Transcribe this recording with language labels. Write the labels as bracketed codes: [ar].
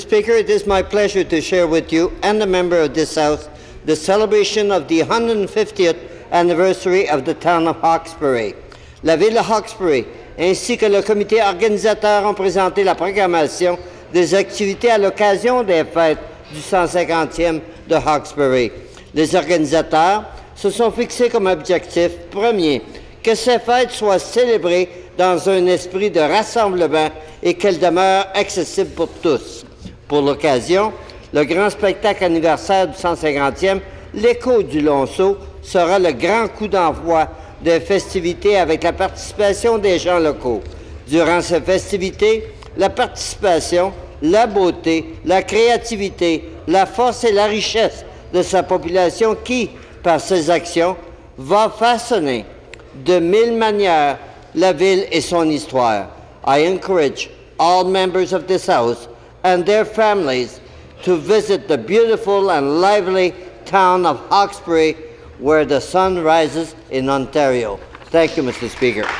[en] Speaker, it is my pleasure to share with you and the member of this House the celebration of the 150th anniversary of the town of Hawkesbury. [fr] La ville de Hawkesbury ainsi que le comité organisateur ont présenté la programmation des activités à l'occasion des fêtes du 150e de Hawkesbury. Les organisateurs se sont fixés comme objectif premier que ces fêtes soient célébrées dans un esprit de rassemblement et qu'elles demeurent accessibles pour tous. Pour l'occasion, le grand spectacle anniversaire du 150e, l'écho du Lonceau, sera le grand coup d'envoi des festivités avec la participation des gens locaux. Durant ces festivités, la participation, la beauté, la créativité, la force et la richesse de sa population qui, par ses actions, va façonner de mille manières la ville et son histoire. [en] I encourage all members of this House and their families to visit the beautiful and lively town of Hawkesbury, where the sun rises in Ontario. Thank you, Mr. Speaker.